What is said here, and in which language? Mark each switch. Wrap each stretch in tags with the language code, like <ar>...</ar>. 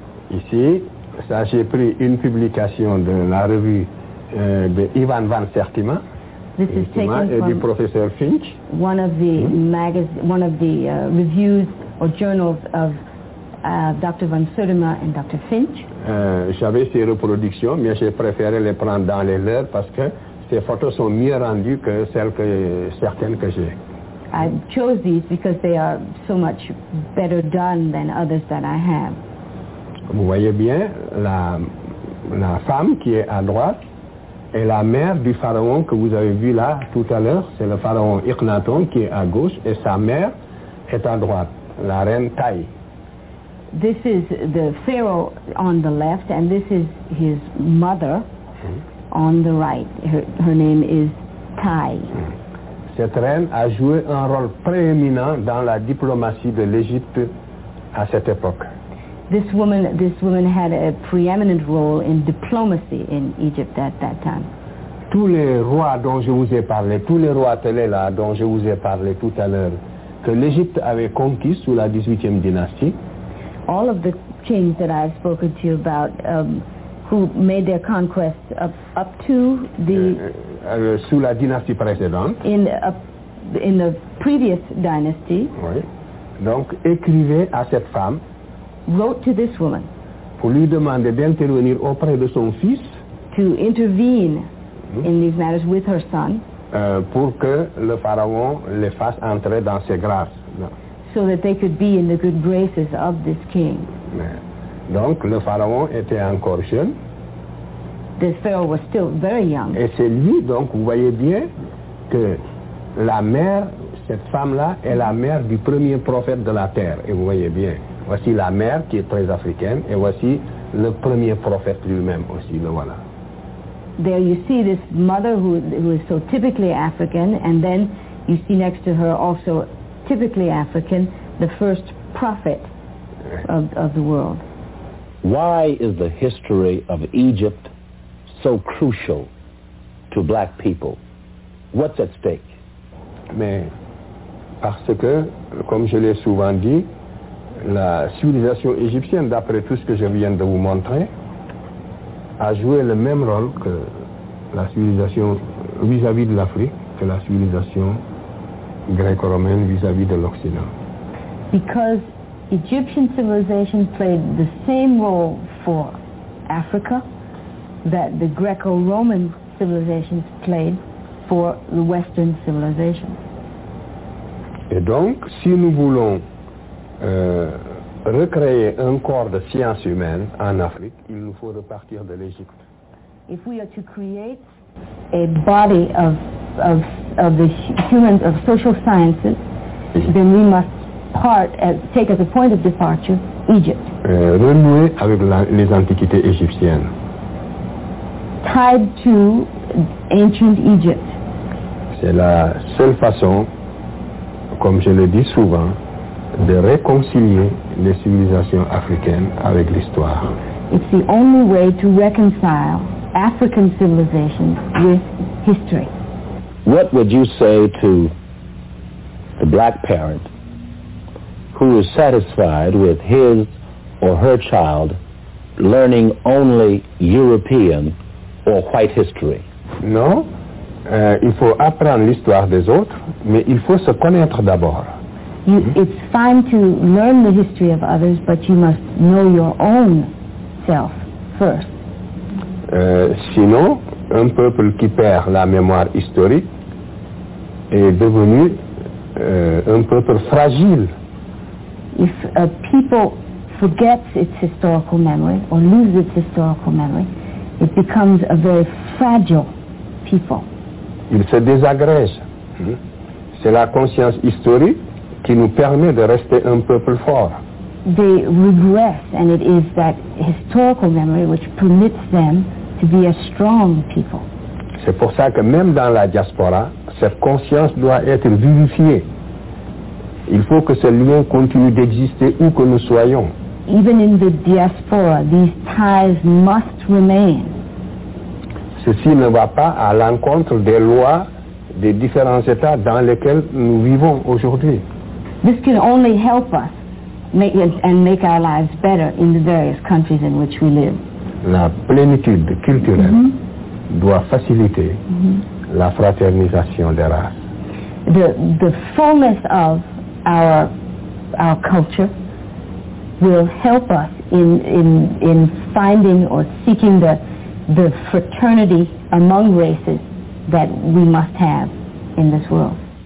<fr>Ici, ça j'ai pris une publication de la revue de Ivan Van Sertima.</fr> <en>This is taken from</en> <fr>du professeur Finch.</fr> <en>One of the reviews or journals of Dr. Van Sertima and Dr. Finch.</en> <fr>J'avais ces reproductions, mais j'ai préféré les prendre dans les leurs parce que ces photos sont mieux rendues que celles que certaines que j'ai.</fr> <en>I chose these because they are so much better done than others that I have.</en> <fr>Vous voyez bien la femme qui est à droite est la mère du pharaon que vous avez vu là tout à l'heure. C'est le pharaon Ikhnaton qui est à gauche et sa mère est à droite, la reine Taï.</fr> <en>This is the pharaoh on the left and this is his mother on the right. Her name is Taï.</en> <fr>Cette reine a joué un rôle prééminent dans la diplomatie de l'Égypte à cette époque.</fr> <en>This woman had a preeminent role in diplomacy in Egypt at that time.</en> <fr>Tous les rois dont je vous ai parlé, tous les rois télés là dont je vous ai parlé tout à l'heure, que l'Égypte avait conquis sous la 18e dynastie.</fr> <en>All of the kings that I've spoken to you about, who made their conquests up to the</en> <fr>sous la dynastie précédente.</fr> <en>In the previous dynasty.</en> <fr>Oui. Donc écrivez à cette femme.</fr> <en>Wrote to this woman</en> <fr>pour lui demander d'intervenir auprès de son fils</fr> <en>to intervene in these matters with her son</en> <fr>pour que le pharaon les fasse entrer dans ses grâces</fr> <en>so that they could be in the good graces of this king.</en> <fr>Donc le pharaon était encore jeune.</fr> <en>The pharaoh was still very young.</en> <fr>Et c'est lui, donc vous voyez bien que la mère, cette femme-là est la mère du premier prophète de la terre. Et vous voyez bien, voici la mère qui est très africaine et voici le premier prophète lui-même aussi, le voilà.</fr> <en>There you see this mother who is so typically African and then you see next to her also typically African, the first prophet of the world. Why is the history of Egypt so crucial to black people? What's at stake?</en> <fr>Mais parce que, comme je l'ai souvent dit, la civilisation égyptienne, d'après tout ce que je viens de vous montrer, a joué le même rôle que la civilisation vis-à-vis de l'Afrique, que la civilisation gréco-romaine vis-à-vis de l'Occident.</fr> <en>Because Egyptian civilization played the same role for Africa that the Greco-Roman civilizations played for the Western civilization.</en> <fr>Et donc, si nous voulons recréer un corps de science humaine en Afrique, il nous faut repartir de l'Égypte.</fr> <en>If we are to create a body of the humans of social sciences, then we must part as take as a point of departure Egypt.</en> <fr>Renouer avec les antiquités égyptiennes.</fr> <en>Tied to ancient Egypt.</en> <fr>C'est la seule façon comme je le dis souvent, de réconcilier les civilisations africaines avec l'histoire.</fr> <en>It's the only way to reconcile African civilization with history. What would you say to the black parent who is satisfied with his or her child learning only European or white history?</en> <fr>Non, il faut apprendre l'histoire des autres, mais il faut se connaître d'abord.</fr> <en>It's fine to learn the history of others, but you must know your own self first.</en> <fr>Sinon, un peuple qui perd la mémoire historique est devenu un peuple fragile.</fr> <en>If a people forgets its historical memory or loses its historical memory, it becomes a very fragile people.</en> <fr>Il se désagrège. C'est la conscience historique qui nous permet de rester un peuple fort.</fr> <en>They regress, and it is that historical memory which permits them to be a strong people.</en> <fr>C'est pour ça que même dans la diaspora, cette conscience doit être vivifiée. Il faut que ce lien continue d'exister où que nous soyons.</fr> <en>Even in the diaspora, these ties must remain.</en> <fr>Ceci ne va pas à l'encontre des lois des différents états dans lesquels nous vivons aujourd'hui.</fr> <en>This can only help us make our lives better in the various countries in which we live.</en> <fr>La plénitude culturelle doit faciliter la fraternisation des races.</fr> <en>The fullness of our culture will help us in finding or seeking the fraternity among races that we must have in this world.</en>